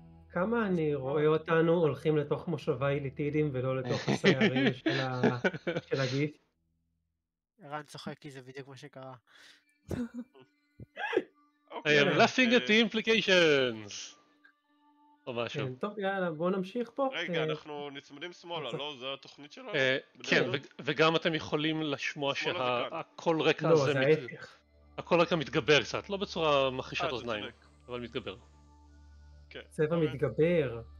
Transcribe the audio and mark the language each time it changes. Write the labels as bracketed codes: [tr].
[he] כמה אני רואה אותנו הולכים לתוך מושבה איליטידים ולא לתוך הסיירים של הגיף? רן צוחק כי זה בדיוק מה שקרה. [en] I am laughing at the implications. [he] או משהו. טוב, יאללה, בואו נמשיך פה. רגע, אנחנו נצמדים שמאלה, לא? זה התוכנית שלנו? כן, וגם אתם יכולים לשמוע שהכל רקע הזה... לא, זה ההפך. הכל רקע מתגבר קצת, לא בצורה מחישת אוזניים, אבל מתגבר. צבע מתגבר.